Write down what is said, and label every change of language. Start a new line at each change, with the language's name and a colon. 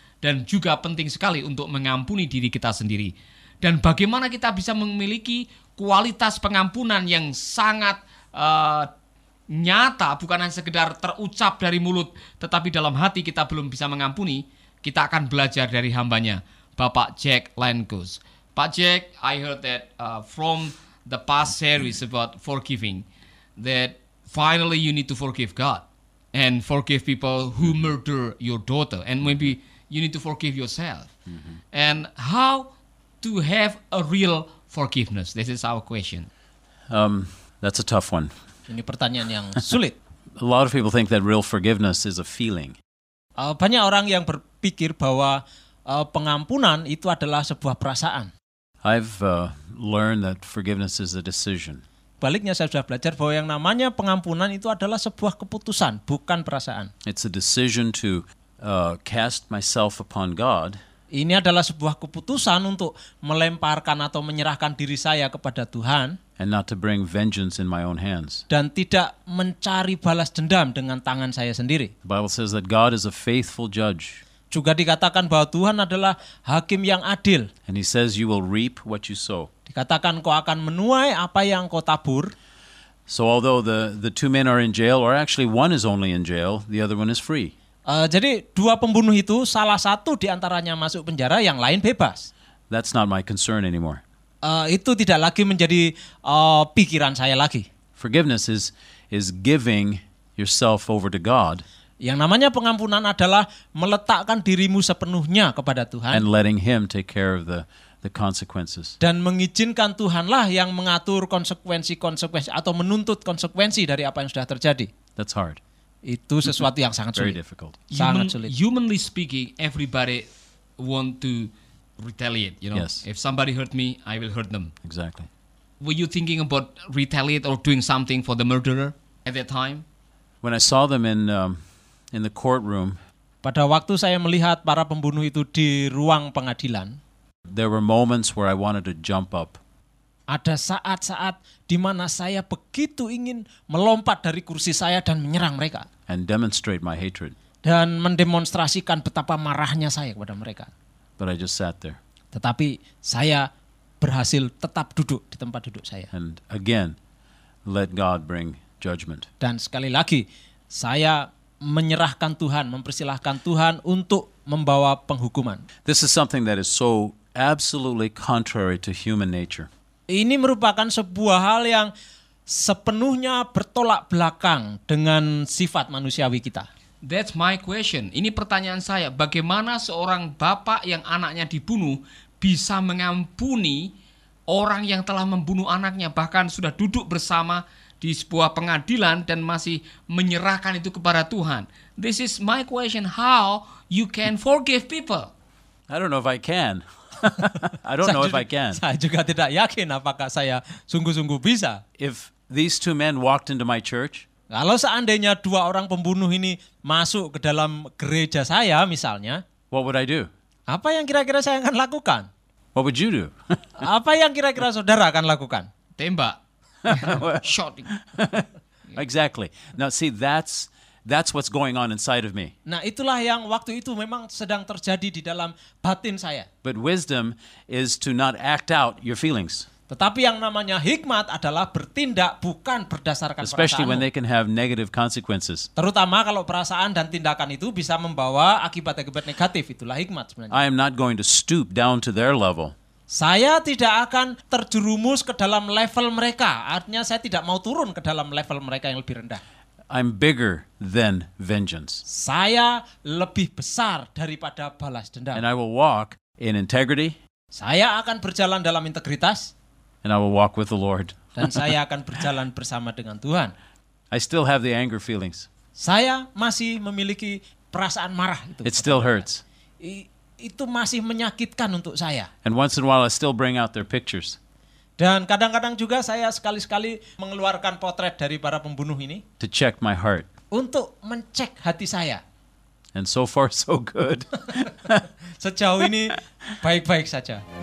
Indonesian: Dan juga penting sekali untuk mengampuni diri kita sendiri. Dan bagaimana kita bisa memiliki kualitas pengampunan yang sangat nyata, bukan hanya sekedar terucap dari mulut, tetapi dalam hati kita belum bisa mengampuni. Kita akan belajar dari hambanya, Bapak Jack Lankus.
English: Pak Jack, I heard that from the past series about forgiving, that finally you need to forgive God and forgive people who murder your daughter, and maybe you need to forgive yourself. And how to have a real forgiveness? This is our question. That's a tough one.
Indonesian: Ini pertanyaan yang sulit.
English: A lot of people think that real forgiveness is a feeling.
Indonesian: Banyak orang yang berpikir bahwa pengampunan itu adalah sebuah perasaan.
English: I've learned that forgiveness is a decision.
Indonesian: Baliknya, saya sudah belajar bahwa yang namanya pengampunan itu adalah sebuah keputusan, bukan perasaan.
English: It's a decision to cast myself upon God.
Indonesian: Ini adalah sebuah keputusan untuk melemparkan atau menyerahkan diri saya kepada Tuhan.
English: And not to bring vengeance in my own hands.
Indonesian: Dan tidak mencari balas dendam dengan tangan saya sendiri.
English: The Bible says that God is a faithful judge.
Indonesian: Juga dikatakan bahwa Tuhan adalah hakim yang adil.
English: And he says you will reap what you sow.
Indonesian: Dikatakan kau akan menuai apa yang kau tabur.
English: So although the two men are in jail, or actually one is only in jail, the other one is free.
Indonesian: Jadi dua pembunuh itu salah satu di antaranya masuk penjara, yang lain bebas.
English: That's not my concern anymore.
Indonesian: Itu tidak lagi menjadi pikiran saya lagi.
English: Forgiveness is giving yourself over to God.
Indonesian: Yang namanya pengampunan adalah meletakkan dirimu sepenuhnya kepada Tuhan.
English: And letting him take care of the consequences.
Indonesian: Dan mengizinkan Tuhanlah yang mengatur konsekuensi-konsekuensi atau menuntut konsekuensi dari apa yang sudah terjadi.
English: That's hard.
Indonesian: Itu sesuatu yang sangat sulit.
English: Very difficult.
Indonesian: Sangat sulit.
English: Humanly speaking, everybody want to retaliate, you know. Yes. If somebody hurt me, I will hurt them. Exactly. Were you thinking about retaliate or doing something for the murderer at that time? When I saw them in the courtroom.
Indonesian: Pada waktu saya melihat para pembunuh itu di ruang pengadilan.
English: There were moments where I wanted to jump up.
Indonesian: Ada saat-saat di mana saya begitu ingin melompat dari kursi saya dan menyerang mereka.
English: And demonstrate my hatred.
Indonesian: Dan mendemonstrasikan betapa marahnya saya kepada mereka.
English: But I just sat there.
Indonesian: Tetapi saya berhasil tetap duduk di tempat duduk saya.
English: And again, let God bring judgment.
Indonesian: Dan sekali lagi, saya menyerahkan Tuhan, mempersilahkan Tuhan untuk membawa penghukuman.
English: This is something that is so absolutely contrary to human nature.
Indonesian: Ini merupakan sebuah hal yang sepenuhnya bertolak belakang dengan sifat manusiawi kita.
English: That's my question.
Indonesian: Ini pertanyaan saya. Bagaimana seorang bapak yang anaknya dibunuh bisa mengampuni orang yang telah membunuh anaknya, bahkan sudah duduk bersama di sebuah pengadilan dan masih menyerahkan itu kepada Tuhan?
English: This is my question. How you can forgive people? I don't know if I can. I don't know if I can.
Indonesian: Saya juga tidak yakin apakah saya sungguh-sungguh bisa.
English: If these two men walked into my church,
Indonesian: kalau seandainya dua orang pembunuh ini masuk ke dalam gereja saya misalnya,
English: what would I do?
Indonesian: Apa yang kira-kira saya akan lakukan?
English: What would you do?
Indonesian: Apa yang kira-kira saudara akan lakukan? Tembak.
English: Shooting. Exactly. Now see, that's what's going on inside of me.
Indonesian: Nah, itulah yang waktu itu memang sedang terjadi di dalam batin saya.
English: But wisdom is to not act out your feelings.
Indonesian: Tetapi yang namanya hikmat adalah bertindak bukan berdasarkan perasaan.
English: Especially when they can have negative consequences.
Indonesian: Terutama kalau perasaan dan tindakan itu bisa membawa akibat-akibat negatif, itulah hikmat sebenarnya.
English: I am not going to stoop down to their level.
Indonesian: Saya tidak akan terjerumus ke dalam level mereka. Artinya saya tidak mau turun ke dalam level mereka yang lebih rendah.
English: I'm bigger than vengeance.
Indonesian: Saya lebih besar daripada balas dendam.
English: And I will walk in integrity.
Indonesian: Saya akan berjalan dalam integritas.
English: And I will walk with the Lord.
Indonesian: Dan saya akan berjalan bersama dengan Tuhan.
English: I still have the anger feelings.
Indonesian: Saya masih memiliki perasaan marah itu.
English: It still hurts.
Indonesian: Itu masih menyakitkan untuk saya.
English: And once in a while I still bring out their pictures.
Indonesian: Dan kadang-kadang juga saya sekali-sekali mengeluarkan potret dari para pembunuh ini.
English: To check my heart.
Indonesian: Untuk mengecek hati saya.
English: And so far so good.
Indonesian: Sejauh ini baik-baik saja.